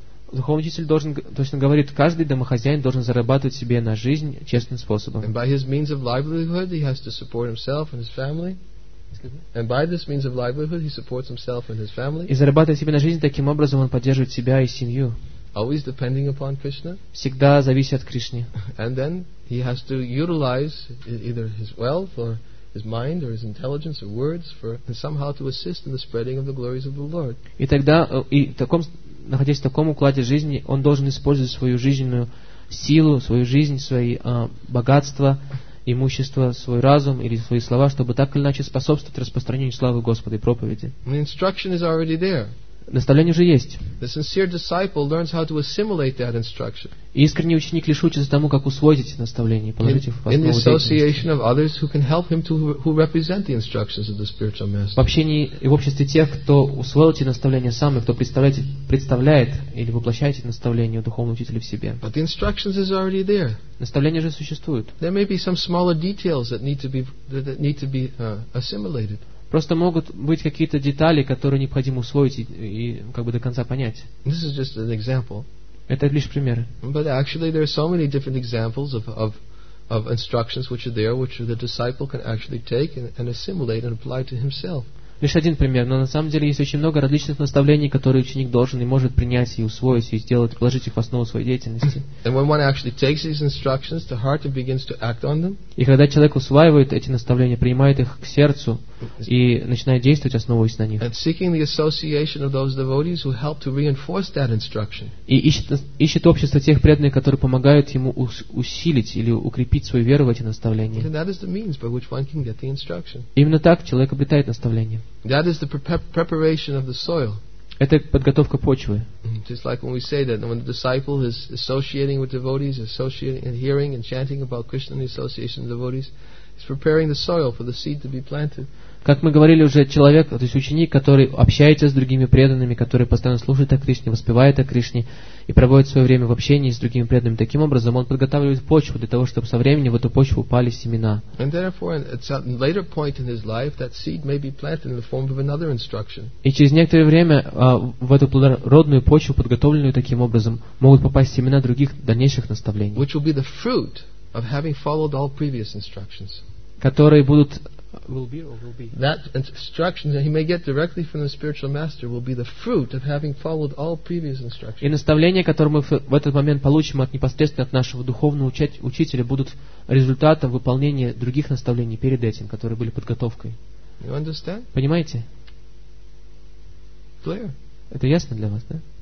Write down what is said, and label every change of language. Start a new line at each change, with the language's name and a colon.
Russian: Духовный учитель должен точно говорит, каждый домохозяин должен зарабатывать себе на жизнь честным способом.
English: And by his means of livelihood, he has to support himself and his family. And by this means of livelihood, he supports himself and his family.
Russian: И зарабатывая себе на жизнь таким образом, он поддерживает себя и семью.
English: Always depending upon Krishna.
Russian: Всегда зависит от Кришны.
English: And then he has to utilize either his wealth or his mind or his intelligence or words for and somehow to assist in the spreading of the glories of the Lord.
Russian: И тогда и таком находясь в таком укладе жизни, он должен использовать свою жизненную силу, свою жизнь, свои богатства, имущество, свой разум или свои слова, чтобы так или иначе способствовать распространению славы Господа и проповеди.
English: The instruction is already there.
Russian: Наставление уже есть.
English: The sincere disciple learns how to assimilate that instruction.
Russian: Искренний ученик лишь учится тому, как усвоить эти наставления и положить их в основу
English: In the association of others who can help him to who represent the instructions of the spiritual master.
Russian: В общении и в обществе тех, кто усвоил эти наставления сам, и кто представляет или воплощает эти наставления духовного учителя в себе.
English: But the instructions is already there.
Russian: Наставления же существуют.
English: There may be some smaller details that need to be assimilated.
Russian: Просто могут быть какие-то детали, которые необходимо усвоить и как бы до конца понять.
English: This is just an example.
Russian: Это лишь примеры.
English: But actually there are so many different examples of instructions which are there, which the disciple can actually take and assimilate and apply to himself.
Russian: Лишь один пример, но на самом деле есть очень много различных наставлений, которые ученик должен и может принять и усвоить и сделать, положить их в основу своей деятельности.
English: And when one actually takes these instructions to heart and begins to act on them.
Russian: И когда человек усваивает эти наставления, принимает их к сердцу и начинает действовать, основываясь на них.
English: And seeking the association of those devotees who help to reinforce that instruction.
Russian: И ищет общество тех преданных, которые помогают ему усилить или укрепить свою веру в эти наставления.
English: And that is the means by which one can get the instruction.
Russian: Именно так человек обретает наставление.
English: That is the preparation of the soil.
Russian: Это подготовка почвы.
English: Just like when we say that when the disciple is associating with devotees, associating and hearing and chanting about Krishna in the association of devotees, He's preparing the soil for the seed to be planted.
Russian: Как мы говорили уже, человек, то есть ученик, который общается с другими преданными, который постоянно слушает о Кришне, воспевает о Кришне и проводит свое время в общении с другими преданными, таким образом он подготавливает почву для того, чтобы со временем в эту почву упали семена. И через некоторое время в эту плодородную почву, подготовленную таким образом, могут попасть семена других дальнейших наставлений,
English: which will be the fruit of having followed all previous instructions.
Russian: Которые будут
English: That instruction that he may get directly from the spiritual master will be the fruit of having followed all previous instructions.
Russian: И наставления, которые мы в этот момент получим от непосредственно от нашего духовного учителя, будут результатом выполнения других наставлений перед этим, которые были подготовкой.
English: You understand?
Russian: Понимаете?
English: Clear?
Russian: Это ясно для вас, да?